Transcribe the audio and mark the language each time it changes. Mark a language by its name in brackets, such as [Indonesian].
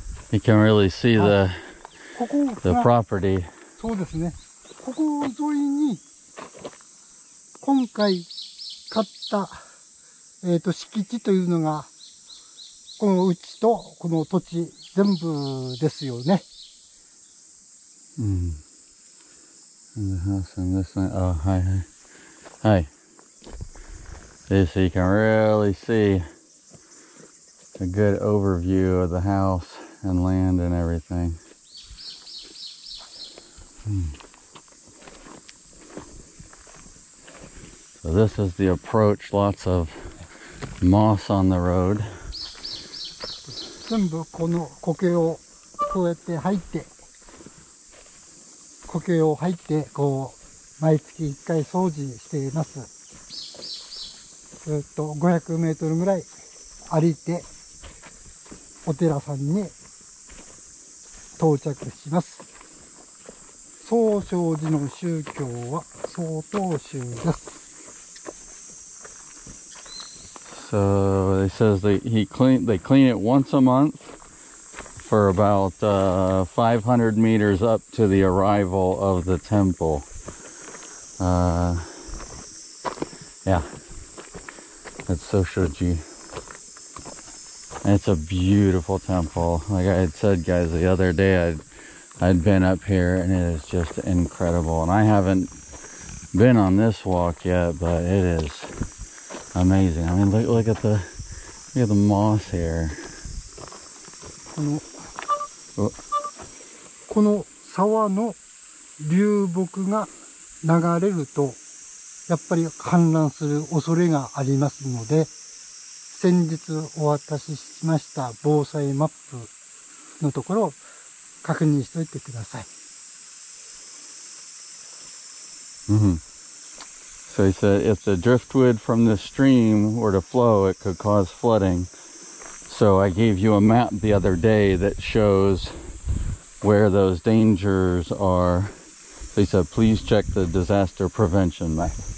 [English] You can really see the property. [Japanese] そうですね。ここ沿いに今回買った敷地というのがこのうちとこの土地全部ですよね。 [English] And the house and this one. Hi. This you can really see. A good overview of the house and land and everything. So this is the approach. Lots of moss on the road. [Japanese] 全部この苔をこうやって入って、苔を入ってこう毎月一回掃除しています。 500メートルぐらい歩いて。お寺さんに到着します。曹昌寺の宗教は曹洞宗です。 [English] So it says they clean it once a month for about 500 meters up to the arrival of the temple. That's 曹昌寺。 It's a beautiful temple. Like I had said, guys, the other day I'd been up here and it is just incredible. And I haven't been on this walk yet, but it is amazing. I mean, look at the moss here. [Japanese] この沢の流木が流れるとやっぱり氾濫する恐れがありますので先日お渡ししました防災マップのところを確認しておいてください。 [English] So he said, if the driftwood from the stream were to flow, it could cause flooding. So I gave you a map the other day that shows where those dangers are. So he said, please check the disaster prevention map.